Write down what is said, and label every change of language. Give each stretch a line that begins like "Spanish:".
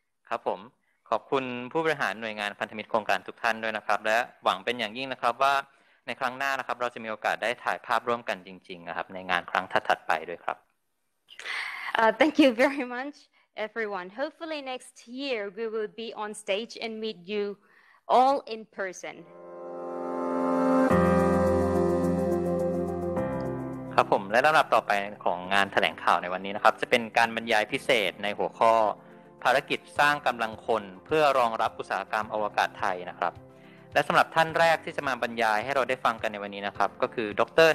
Thai: ครับผมขอบคุณผู้บริหารหน่วยงานพันธมิตรโครงการทุกท่านด้วยนะครับและหวังเป็นอย่างยิ่งนะครับว่าในครั้งหน้านะครับเราจะมีโอกาสได้ถ่ายภาพร่วมกันจริงๆนะครับในงานครั้งถัดๆไปด้วยครับ
English: Thank you very much, everyone. Hopefully next year we will be on stage and meet you all in person.
Thai: ครับผมและลำดับต่อไปของงานแถลงข่าวในวันนี้นะครับจะเป็นการบรรยายพิเศษในหัวข้อภารกิจสร้างกำลังคนเพื่อรองรับอุตสาหกรรมอวกาศไทยนะครับและสำหรับท่านแรกที่จะมาบรรยายให้เราได้ฟังกันในวันนี้นะครับก็คือดร.